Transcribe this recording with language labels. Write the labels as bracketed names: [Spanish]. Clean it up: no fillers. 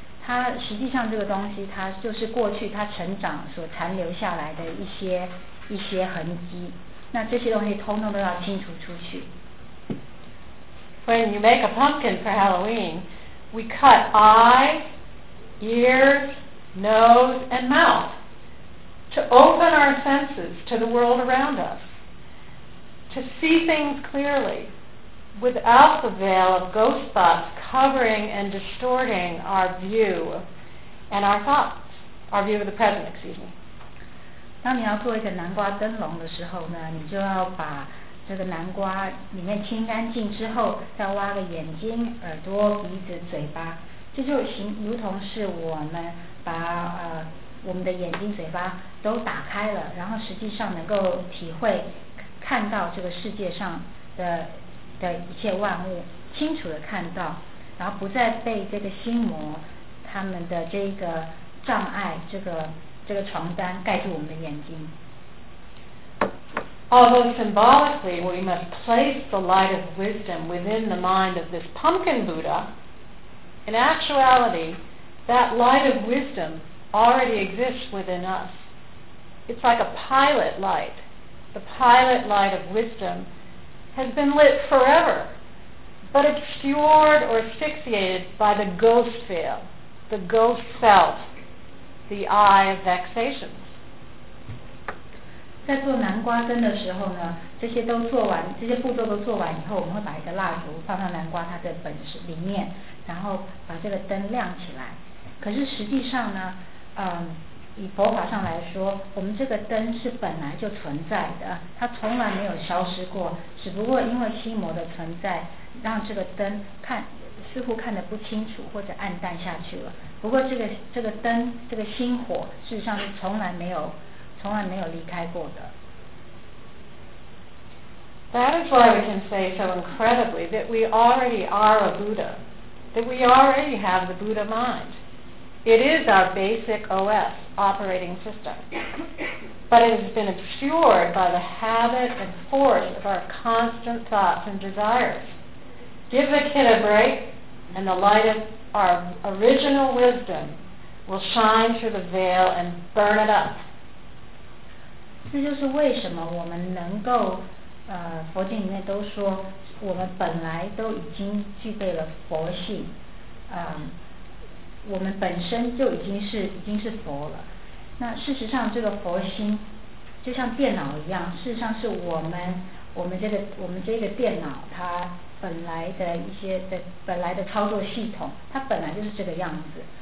[Chinese] 它实际上这个东西它就是过去它成长所残留下来的一些痕迹，那这些东西通通都要清除出去。 [English] When you make a pumpkin for Halloween, we cut eyes, ears, nose, and mouth to open our senses to the world around us, to see things clearly without the veil of ghost thoughts covering and distorting our view and our thoughts, our view of the present, excuse me. [Chinese] 当你要做一个南瓜灯笼的时候呢，你就要把这个南瓜里面清干净之后，再挖个眼睛、耳朵、鼻子、嘴巴，这就行，如同是我们把我们的眼睛、嘴巴都打开了，然后实际上能够体会、看到这个世界上的一切万物，清楚的看到，然后不再被这个心魔他们的这个障碍、这个床单盖住我们的眼睛。 [English] Although symbolically we must place the light of wisdom within the mind of this pumpkin Buddha, in actuality, that light of wisdom already exists within us. It's like a pilot light. The pilot light of wisdom has been lit forever, but obscured or asphyxiated by the ghost veil, the ghost self, the eye of vexation. [Chinese] 在做南瓜灯的时候呢，这些步骤都做完以后，我们会把一个蜡烛放到南瓜它的本身里面，然后把这个灯亮起来。可是实际上呢，以佛法上来说，我们这个灯是本来就存在的，它从来没有消失过，只不过因为心魔的存在，让这个灯似乎看得不清楚或者暗淡下去了。不过这个灯，这个心火，事实上是从来没有离开过的。 [English] That is why we can say so incredibly that we already are a Buddha, that we already have the Buddha mind. It is our basic OS, operating system. But it has been obscured by the habit and force of our constant thoughts and desires. Give the kid a break, and the light of our original wisdom will shine through the veil and burn it up. [Chinese] 这就是为什么我们能够佛经里面都说我们本来都已经具备了佛性，我们本身就已经是佛了。那事实上这个佛心就像电脑一样，事实上是我们这个电脑它本来的操作系统，它本来就是这个样子。